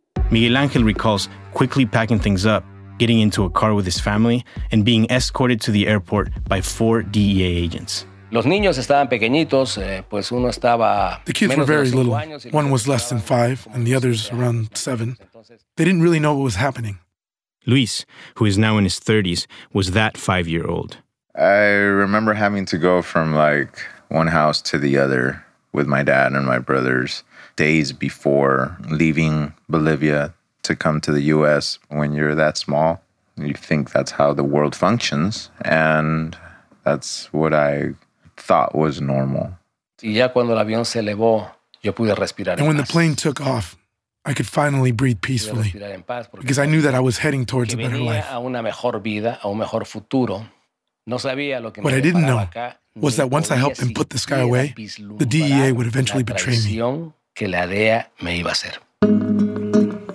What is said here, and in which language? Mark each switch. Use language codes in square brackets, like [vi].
[en] Miguel Ángel recalls quickly packing things up, getting into a car with his family, and being escorted to the airport by four DEA agents. [es] Los niños estaban pequeñitos, pues uno estaba. [en] The kids were very little. One was less than five, and the others around seven. They didn't really know what was happening. Luis, who is now in his 30s, was that 5-year-old. I remember having to go from, like, one house to the other with my dad and my brothers days before leaving Bolivia to come to the U.S. When you're that small, you think that's how the world functions. And that's what I thought was normal. [es] Y ya cuando el avión se elevó, yo pude respirar. [en] And when the plane took off, I could finally breathe peacefully because I knew that I was heading towards a better life. [es] A una mejor vida, a un mejor futuro. No sabía lo que [en] what I didn't know was that once I helped them put this guy away, the DEA would eventually betray me. [es] Que la DEA me iba a hacer.